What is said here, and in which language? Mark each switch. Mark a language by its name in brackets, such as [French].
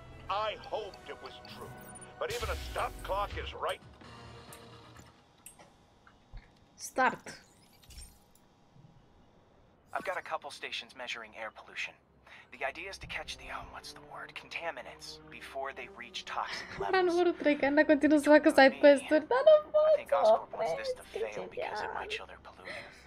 [English] I hoped it was true. But even a stop clock is right. Start. I've got a couple stations measuring air pollution. The idea is to catch the, contaminants before they reach toxic levels. [Romanian] Nu vor trece, n-a continuat să facă side quest-uri, dar nu pot. [English] I think Oscorp wants this to fail because it might show their pollution.